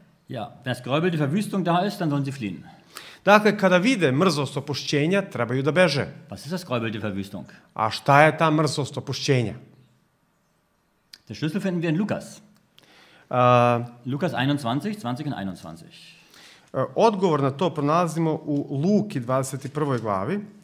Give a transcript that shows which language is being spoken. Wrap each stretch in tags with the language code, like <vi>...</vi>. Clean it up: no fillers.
<de>Ja, wenn das Gräuel der Verwüstung da ist, dann sollen sie fliehen.</de> <sr>Dakle, kada vide mrzlost opuštenja, trebaju da beže.</sr> <de>Was ist das Gräuel der Verwüstung?</de> <sr>A šta je ta mrzlost opuštenja?</sr> <de>Der Schlüssel finden wir in Lukas. Lukas 21, 20 und 21.</de> <sr>Odgovor na to pronalazimo u Luki 21. glavi.</sr>